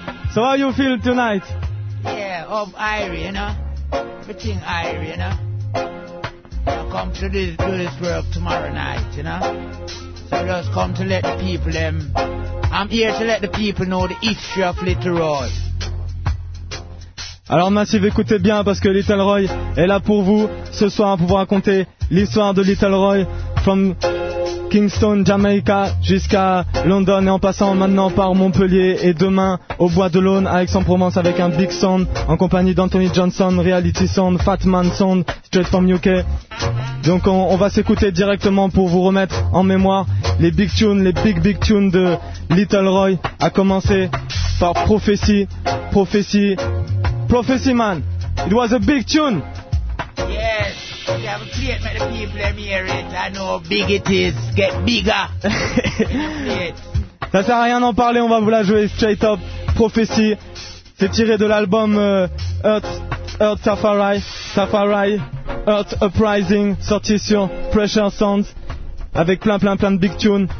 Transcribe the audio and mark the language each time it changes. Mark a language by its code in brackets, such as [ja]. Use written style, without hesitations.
[en] So how you feel tonight? Yeah, of Irie, you know. Everything Irie, you know. I come to do this work tomorrow night, you know. So just come to let the people, I'm here to let the people know the history of Little Roy. [fr] Alors Massive, écoutez bien parce que Little Roy est là pour vous ce soir pour vous raconter l'histoire de Little Roy from Kingston, Jamaica jusqu'à London et en passant maintenant par Montpellier et demain au Bois de l'Aune à Aix-en-Provence avec un Big Sound en compagnie d'Anthony Johnson, Reality Sound, Fat Man Sound, Straight from UK. Donc on va s'écouter directement pour vous remettre en mémoire les big tunes, les big big tunes de Little Roy, à commencer par Prophecy Man. [en] It was a big tune. Yes. We have a plate, make the people hear it. I know how big it is. Get bigger. [fr] Ça sert à rien d'en parler. On va vous la jouer straight up. Prophecy. C'est tiré de l'album Earth Safari. Safari. Earth Uprising. Sorti sur Pressure Sounds. Avec plein de big tunes.